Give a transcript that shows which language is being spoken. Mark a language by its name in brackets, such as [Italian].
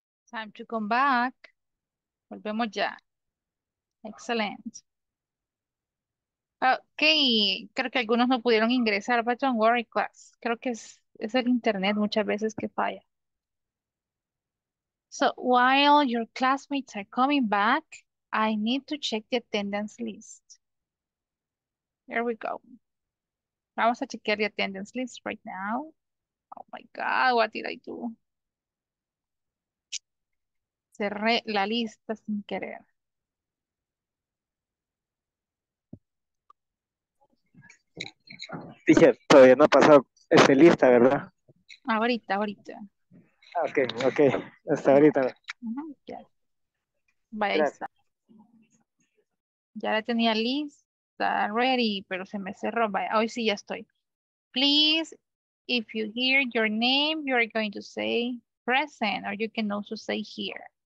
[English] Time to come back. Volvemos ya. Excelente. [Spanish] Ok, creo que algunos no pudieron ingresar, but don't worry, class. Creo que es el internet muchas veces que falla. [English] So, while your classmates are coming back, I need to check the attendance list. Here we go. Vamos a chequear the attendance list right now. Oh my God, what did I do? [Spanish] Cerré la lista sin querer. Dije, todavía no ha pasado esa lista, ¿verdad? Ahorita. Ok, ok. Hasta ahorita. Uh-huh, yeah. Vaya, ahí está. Ya la tenía lista, ready, pero se me cerró. Vaya, hoy sí ya estoy. [English] Please, if you hear your name, you are going to say present, or you can also say here.